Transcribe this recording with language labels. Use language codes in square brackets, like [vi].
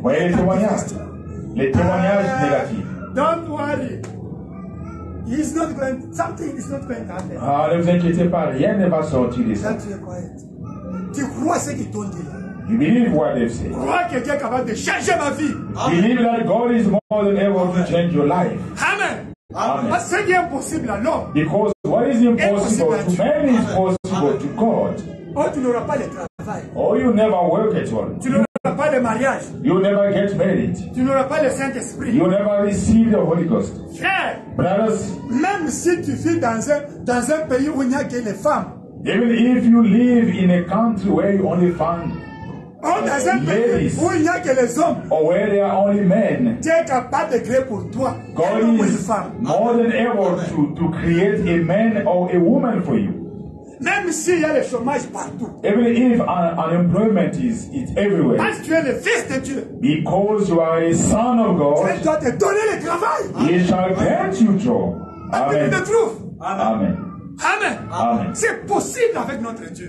[fr] Voyez les témoignages. Les témoignages négatifs. [en] Don't worry. He's not going. Something is not going to happen. [fr] Ah, ne vous inquiétez pas. Rien ne va sortir de ça. Tu es quiet. Tu crois ce qu'ils t'ont dit là. [en] You believe what they've said. [fr] Crois que Dieu est capable de changer ma vie. [en] Amen. Believe that God is more than able to change your life. Amen. Amen. [fr] Parce que c'est impossible à l'homme. [en] Because what is impossible to man is possible Amen. To God. [fr] Oh, tu n'auras pas le travail. [en] Oh, you never work at all. [fr] Tu n'auras pas le mariage. [en] You never get married. [fr] Tu n'auras pas le Saint-Esprit. [en] You never receive the Holy Ghost. [fr] Frère. [en] Brothers. [fr] Même si tu vis dans un pays où il n'y a que les femmes. [en] Even if you live in a country where you only find ladies, [fr] où il n'y a que les hommes. [en] Or where there are only men. [fr] Dieu a pas de gré pour toi. [en] God is more than able to create a man or a woman for you. [fr] Même si il y a le chômage partout. [en] Even if unemployment is it's everywhere. [fr] Parce que tu es le fils de Dieu. [en] Because you are a son of God. [fr] Dieu doit te donner le travail. [en] He shall grant you job. Amen. The truth. Amen. Amen. Amen. Amen. [fr] C'est possible avec notre Dieu.